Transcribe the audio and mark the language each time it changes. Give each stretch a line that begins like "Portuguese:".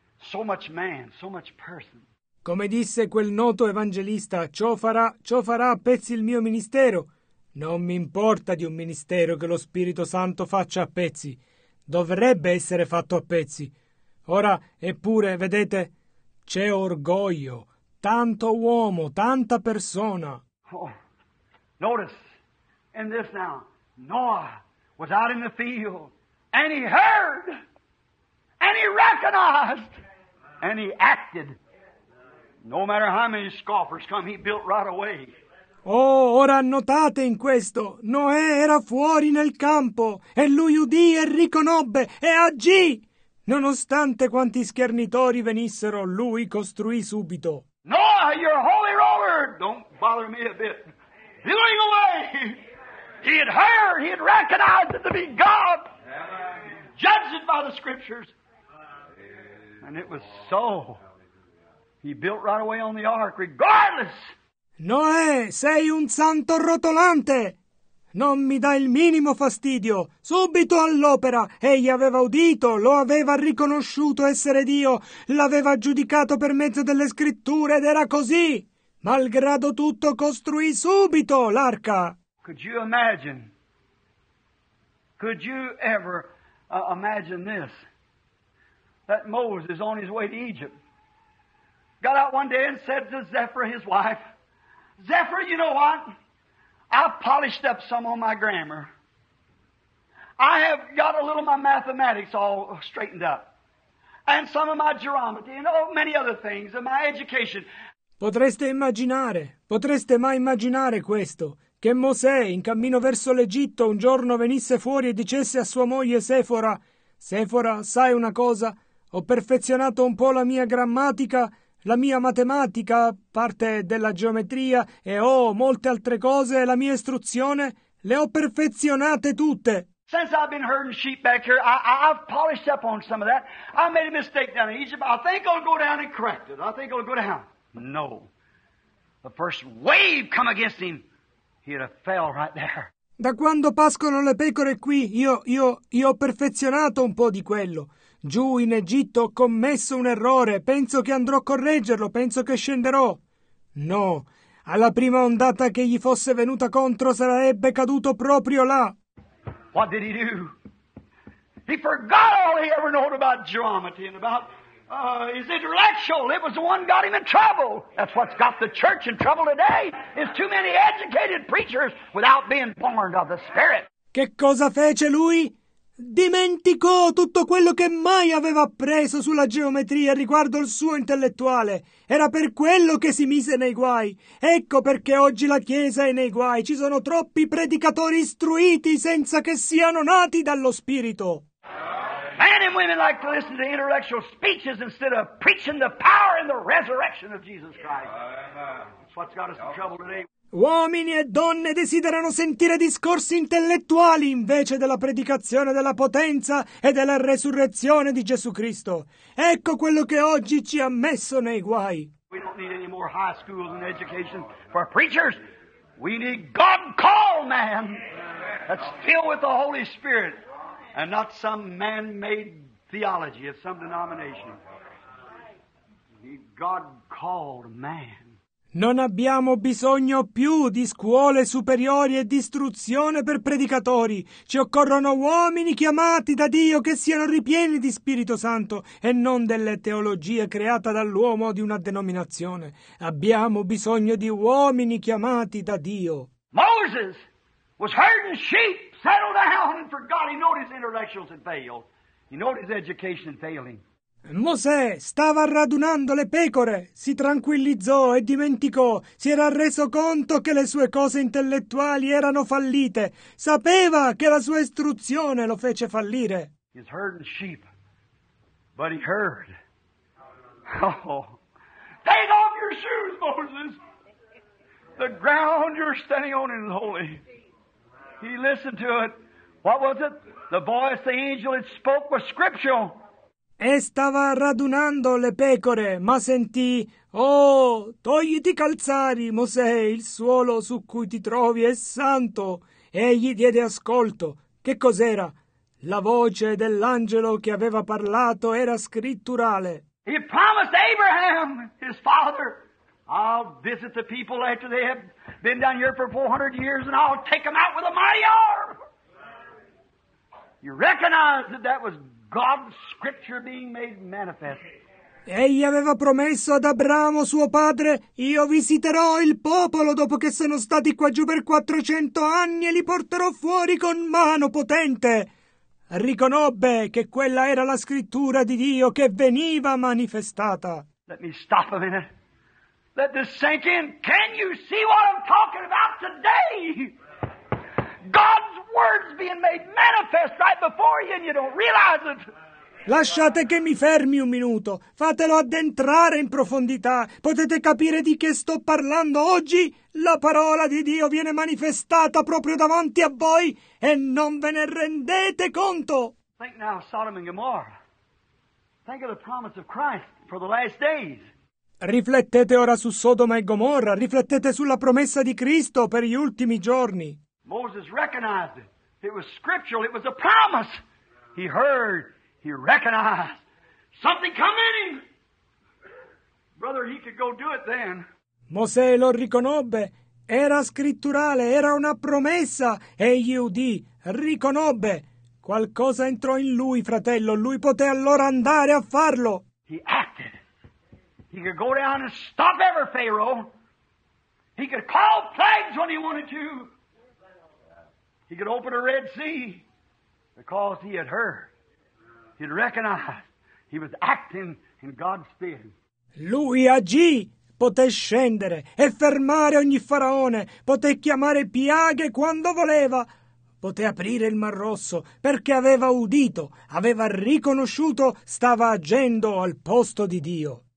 English: So much man, so much person.
Italian: Come disse quel noto evangelista, ciò farà a pezzi il mio ministero. Non mi importa di un ministero che lo Spirito Santo faccia a pezzi. Dovrebbe essere fatto a pezzi. Ora, eppure, vedete, c'è orgoglio, tanto uomo, tanta persona.
English: Oh, notice, in this now, Noah was out in the field, and he heard, and he recognized, and he acted. No matter how many scoffers come, he built right away.
Italian: Oh, ora notate in questo, Noè era fuori nel campo, e lui udì e riconobbe, e agì. Nonostante quanti schernitori venissero, lui costruì subito.
English: Noah, you're a holy roller! Don't bother me a bit. Going away! He had heard, he had recognized it to be God. Judged it by the scriptures. And it was so. He built right away on the ark, regardless.
Italian: Noè, sei un santo rotolante! Non mi dà il minimo fastidio! Subito all'opera! Egli aveva udito, lo aveva riconosciuto essere Dio, l'aveva giudicato per mezzo delle scritture ed era così! Malgrado tutto, costruì subito l'arca!
English: Could you imagine? Could you ever imagine this? That Moses on his way to Egypt got out one day and said to Zephyr, his wife, Zephyr, you know what? I've polished up some on my grammar. I have got a little of my mathematics all straightened up. And some of my geometry and oh, many other things and my education.
Italian: Potreste mai immaginare questo? Che Mosè, in cammino verso l'Egitto, un giorno venisse fuori e dicesse a sua moglie Sefora, Sefora, sai una cosa? Ho perfezionato un po' la mia grammatica, la mia matematica, parte della geometria, e ho molte altre cose, la mia istruzione, le ho perfezionate tutte.
English: Since I've been herding sheep back here, I've polished up on some of that. I made a mistake down in Egypt. I think I'll go down and correct it. I think I'll go down. No. The first wave come against him, he'd have fell right there.
Italian: Da quando pascono le pecore qui, io ho perfezionato un po' di quello. Giù in Egitto ho commesso un errore, penso che andrò a correggerlo, penso che scenderò. No, alla prima ondata che gli fosse venuta contro sarebbe caduto proprio là.
English: What did he do? He forgot all he ever known about geometry and about his intellectual. It was the one got him in trouble. That's what's got the church in trouble today, is too many educated preachers without being born of the Spirit.
Italian: Che cosa fece lui? Dimenticò tutto quello che mai aveva appreso sulla geometria riguardo il suo intellettuale. Era per quello che si mise nei guai. Ecco perché oggi la Chiesa è nei guai. Ci sono troppi predicatori istruiti senza che siano nati dallo Spirito.
English: Men and women like to listen to intellectual speeches instead of preaching the power and the resurrection of Jesus Christ. That's what's got us in trouble today.
Italian: Uomini e donne desiderano sentire discorsi intellettuali invece della predicazione della potenza e della resurrezione di Gesù Cristo. Ecco quello che oggi ci ha messo nei guai.
English: We don't need any more high schools and education for preachers. We need God called man that's filled with the Holy Spirit and not some man-made theology of some denomination. We need God called man.
Italian: Non abbiamo bisogno più di scuole superiori e di istruzione per predicatori. Ci occorrono uomini chiamati da Dio che siano ripieni di Spirito Santo e non delle teologie create dall'uomo o di una denominazione. Abbiamo bisogno di uomini chiamati da Dio.
English: Moses was herding sheep, settled down and forgot. He knew his intellectuals had failed. He knew his education failing.
Italian: Mosè stava radunando le pecore, si tranquillizzò e dimenticò, si era reso conto che le sue cose intellettuali erano fallite, sapeva che la sua istruzione lo fece fallire.
English: He's herding sheep, but he heard. Oh, take off your shoes, Moses. The ground you're standing on is holy. He listened to it. What was it? The voice the angel had spoke was scriptural.
Italian: E stava radunando le pecore, ma sentì, oh, togliti i calzari, Mosè, il suolo su cui ti trovi è santo. E gli diede ascolto. Che cos'era? La voce dell'angelo che aveva parlato era scritturale.
English: He promised Abraham, his father, I'll visit the people after they have been down here for 400 years and I'll take them out with a mighty arm. You recognize that that was God's scripture being made manifest.
Italian: Egli aveva promesso ad Abramo, suo padre, io visiterò il popolo dopo che sono stati qua giù per 400 anni e li porterò fuori con mano potente. Riconobbe che quella era la scrittura di Dio che veniva manifestata.
English: Let me stop a minute. Let this sink in. Can you see what I'm talking about today? God's words being made manifest right before you and you don't realize it.
Italian: Lasciate che mi fermi un minuto. Fatelo addentrare in profondità. Potete capire di che sto parlando oggi? La parola di Dio viene manifestata proprio davanti a voi e non ve ne rendete conto.
English: Think now of Sodom and Gomorrah. Think of the promise of Christ for the last days.
Italian: Riflettete ora su Sodoma e Gomorra, riflettete sulla promessa di Cristo per gli ultimi giorni.
English: Moses recognized it. It was scriptural, it was a promise. He heard, he recognized. Something coming. Brother, he could go do it then.
Italian: Mosè lo riconobbe, era scritturale, era una promessa. Egli udì, riconobbe. Qualcosa entrò in lui, fratello, lui poté allora andare a farlo.
English: He acted. He could go down and stop every Pharaoh. He could call plagues when he wanted to. He could open a Red Sea because he had heard. He'd recognized. He was acting in God's stead.
Italian: Lui agì. Poté scendere e fermare ogni faraone. Poté chiamare piaghe quando voleva. Poté aprire il Mar Rosso perché aveva udito, aveva riconosciuto, stava agendo al posto di Dio.